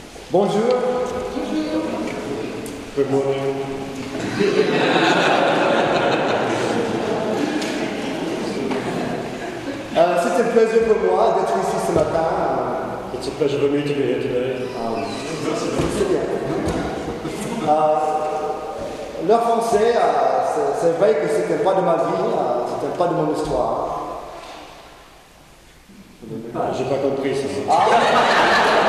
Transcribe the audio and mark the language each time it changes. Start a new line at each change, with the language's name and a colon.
French: Bonjour.
English: Good morning.
French: C'est un plaisir pour moi d'être ici ce matin.
English: It's a pleasure for me to be here today.
French: Le français, c'est vrai que c'est un pas de ma vie, c'est un pas de mon histoire. J'ai pas compris ça.